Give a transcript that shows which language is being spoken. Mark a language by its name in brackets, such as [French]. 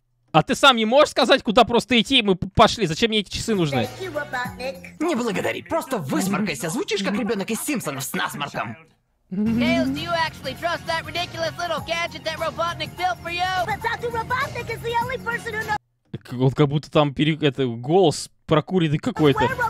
[Russian] А ты сам не можешь сказать, куда просто идти? Мы пошли. Зачем мне эти часы нужны? Не благодари. Просто высморкайся. Звучишь, как ребенок из Симпсонов с насморком. [English] Tails, do you actually trust that ridiculous little gadget that Robotnik built for you? But Dr. Robotnik is the only person who knows. [Russian] Он как будто там это голос прокуренный какой-то.